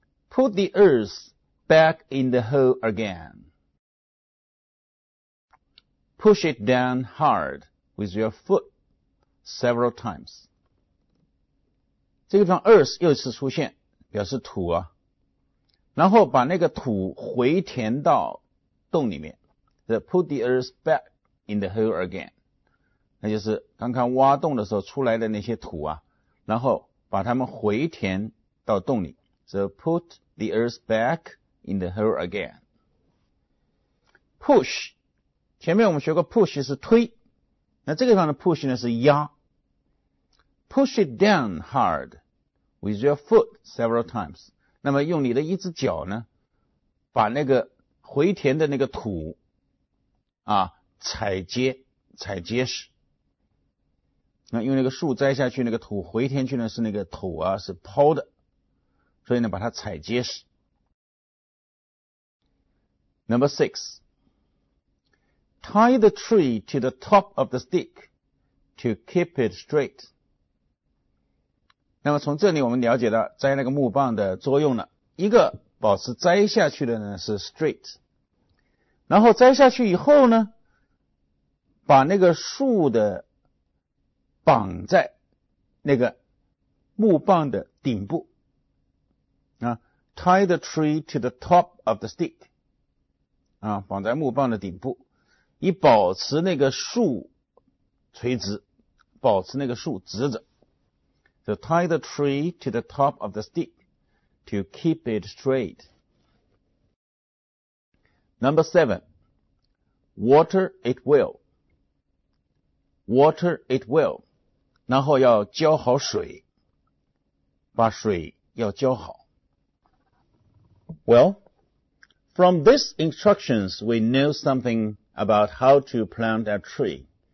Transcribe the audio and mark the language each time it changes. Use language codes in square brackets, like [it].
[en] Put the earth back in the hole again. Push it down hard with your foot several times. [zh] 这个地方 earth 又一次出现表示土啊。然后把那个土回填到洞里面。 [en] Put the earth back in the hole again. [zh] 那就是刚刚挖洞的时候出来的那些土啊然后把它们回填到洞里 [en] So put the earth back in the hole again [zh] Push 前面我们学过 push 是推那这个地方的 push 呢是压 [en] Push it down hard with your foot several times [zh] 那么用你的一只脚呢把那个回填的那个土啊踩结实那因为那个树栽下去那个土回填去呢是那个土啊是抛的所以呢把它踩结实 [en] Number six Tie the tree to the top of the stick to keep it straight [zh] 那么从这里我们了解到栽那个木棒的作用了一个保持栽下去的呢是 straight 然后栽下去以后呢把那个树的绑在那个木棒的顶部。 [en] Tie the tree to the top of the stick. [zh] 绑在木棒的顶部。以保持那个树垂直，保持那个树直着。 [en] So tie the tree to the top of the stick to keep it straight. Number 7. Water it well. Water it well. [zh] 然后要浇好水，把水要浇好。 [en] Well, from these instructions, we know something about how to plant a tree.